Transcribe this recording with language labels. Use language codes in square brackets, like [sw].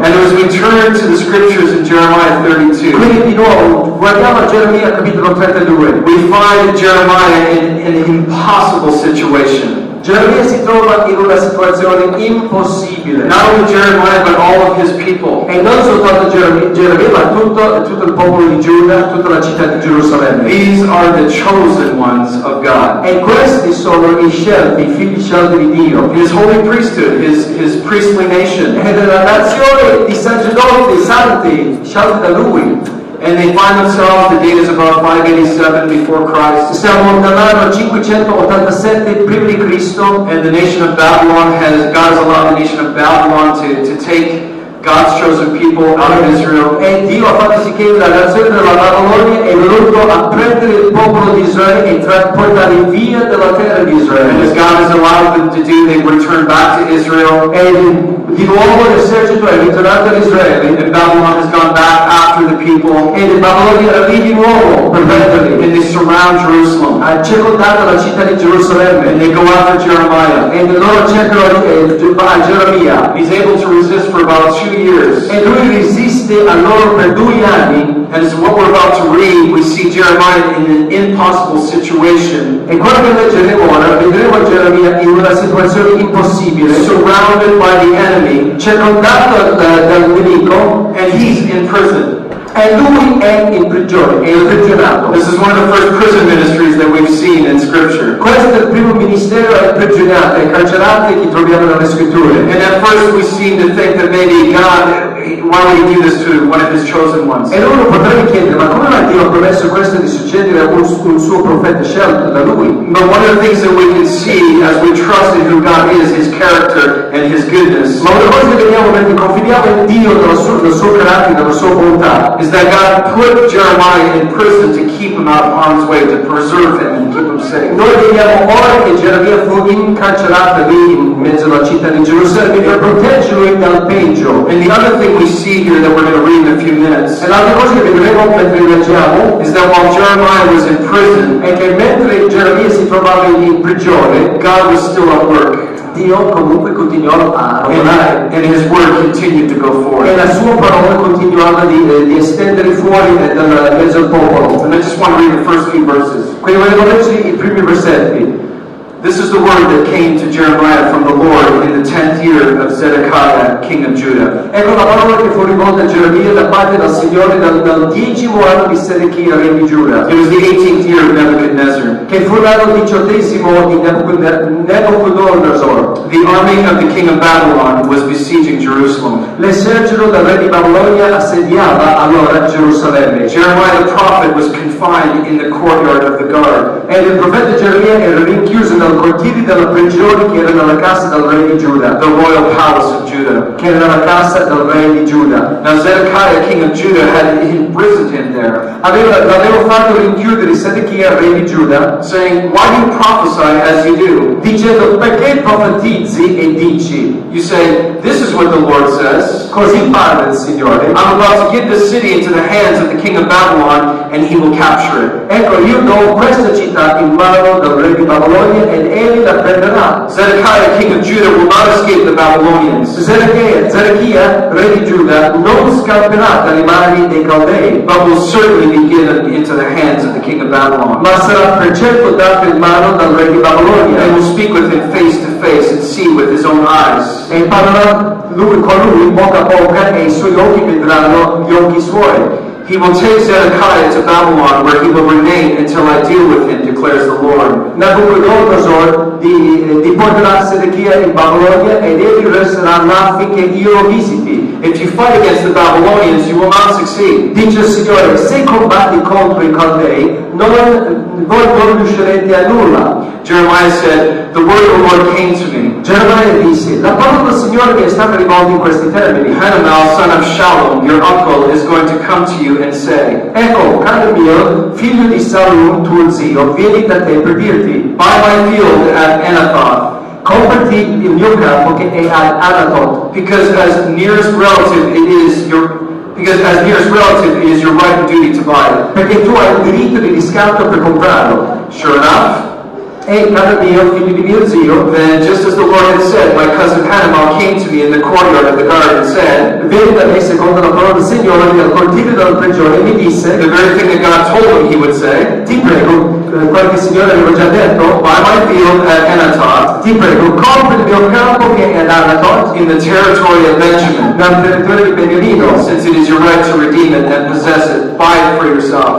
[en] And as we turn to the scriptures in Jeremiah 32, [it] quindi di nuovo guardiamo a Geremia capitolo 32. [en] We find Jeremiah in an impossible situation. [it] Geremia si trova in una situazione impossibile. [en] Not only Jeremiah, but all of his people. [it] E non soltanto Geremia, ma tutto il popolo di Giuda, tutta la città di Gerusalemme. [en] These are the chosen ones of God. [it] E questi sono i scelti, i figli scelti di Dio. [en] His holy priesthood, his priestly nation. [it] E della nazione di sacerdoti, santi, scelti da lui. [en] And they find themselves, the date is about 587 before Christ. [it] Siamo nell'anno 587 prima di Cristo. [en] And the nation of Babylon has, God has allowed the nation of Babylon to take God's chosen people out of Israel. [it] E Dio ha fatto sì che la nazione della Babilonia è venuto a prendere il popolo di Israele e portare via dalla terra di Israele. [en] And as God has allowed them to do, they return back to Israel. [it] Di nuovo l'esercito è ritornato ad Israele. [en] And Babylon has gone back after the people. [it] E la Babilonia era lì di nuovo per prenderli. [en] And they surround Jerusalem. [it] Ha circondato la città di Gerusalemme. [en] And they go after Jeremiah. [it] And loro cercano di fare Geremia. [en] He's able to resist for about 2 years. [it] E lui resiste a loro per 2 anni. [en] And so what we're about to read, we see Jeremiah in an impossible situation. [it] E quello che leggeremo ora, vedremo Geremia in una situazione impossibile. [en] Surrounded by the enemy. [it] Circondato dal nemico. [en] And he's in prison. [it] E lui è in prigione, è imprigionato. [en] This is one of the first prison ministries that we've seen in scripture. [it] Questo è il primo ministero imprigionato, incarcerato che troviamo nelle scritture. [en] And at first we seem to think that maybe God, why would he do this to one of his chosen ones? [it] E loro potrebbero chiedere, ma come mai Dio ha permesso questo di succedere a un suo profeta scelto da lui? [en] But one of the things that we can see as we trust in who God is, his character and his goodness. [it] Ma una cosa che vediamo mentre confidiamo in Dio nel suo carattere, nella sua bontà. [en] Is that God put Jeremiah in prison to keep him out of harm's way, to preserve him and keep him safe. [it] Noi vediamo ora che Geremia fu incarcerato lì in mezzo alla città di Gerusalemme per proteggerlo dal peggio. [en] And the other thing we see here that we're going to read in a few minutes. [it] E l'altra cosa che vedremo mentre leggiamo [en] is that while Jeremiah was in prison, [it] è che mentre Geremia si trovava in prigione, [en] God was still at work. [it] Dio comunque continuò a lavorare. [en] And his word continued to go forth. [it] E la sua parola continuava di estendere fuori dal mezzo popolo. [en] And I just want to read the first few verses. [it] Quindi volevo leggere i primi versetti. [en] This is the word that came to Jeremiah from the Lord in the 10th year of Zedekiah, king of Judah. [it] Ecco la parola che fu rivolta a Geremia da parte del Signore dal 10° anno di Zedekia, re di Giuda. [en] It was the 18th year of Nebuchadnezzar. [it] Che fu l'anno 18° di Nebuchadnezzar. [en] The army of the king of Babylon was besieging Jerusalem. [it] L'esercito del re di Babilonia assediava allora Gerusalemme. [en] Jeremiah the prophet was confined in the courtyard of the guard. [it] E il profeta Geremia era rinchiuso dal cortile della prigione che era nella casa del re di Giuda, [en] the royal palace of Judah, [it] che era nella casa del re di Giuda. [en] Now Zedekiah, king of Judah, had imprisoned him there. [it] Aveva fatto rinchiudere Zedekiah, re di Giuda, [en] saying, "Why do you prophesy as you do?" [it] Dicendo, perché profetizzi e dici? [en] You say, "This is what the Lord says." [it] Così parla il Signore. [en] I'm about to give the city into the hands of the king of Babylon, and he will capture it. [it] Ecco, io do questa città sta in mano dal re di Babilonia ed egli la prenderà. [en] Zedekiah, king of Judah, will not escape the Babylonians. [it] Zedekiah, re di Giuda, non scapperà dalle mani dei Caldei. [en] But will certainly be given into the hands of the king of Babylon. [it] Ma sarà per certo dato in mano dal re di Babilonia. [en] And will speak with him face to face and see with his own eyes. [it] E parlerà lui con lui bocca a bocca e i suoi occhi vedranno gli occhi suoi. [en] He will take Zedekiah to Babylon, where he will remain until I deal with him, declares the Lord. [it] Nebuchadnezzar di porterà Zedekiah in Babilonia ed egli resterà là finché io lo visiti. [en] If you fight against the Babylonians, you will not succeed. [it] Dice il Signore, se combatti contro i Caldei, voi non riuscirete a nulla. [en] Jeremiah said, the word of the Lord came to me. [it] Jeremiah disse, la parola del Signore mi è stata rivolta in questi termini. [en] Hanamel, son of Shalom, your uncle, is going to come to you and say, [it] ecco, caro mio, figlio di Salom, tuo zio, vieni da te per dirti, [en] buy my field at Anathoth. [it] Comprati il mio campo che è ad Anathoth. [en] Because as nearest relative it is your right and duty to buy it. [it] Perché tu hai il diritto di riscatto per comprarlo. [en] Sure enough, [it] hey, caro mio, figlio di mio zio, [en] then just as the Lord had said, my cousin Hanamel came to me in the courtyard of the guard and said, [it] vedi da me secondo la parola del Signore nel cortile della prigione, mi disse, [en] the very thing that God told him he would say, [it] ti prego, quello che il Signore aveva già detto, [en] buy my field at Anathoth, [it] ti prego, compri il mio campo che è ad Anathoth, [en] in the territory of Benjamin, [it] nel territorio di Beniamino, [en] since it is your right to redeem it and possess it, buy it for yourself,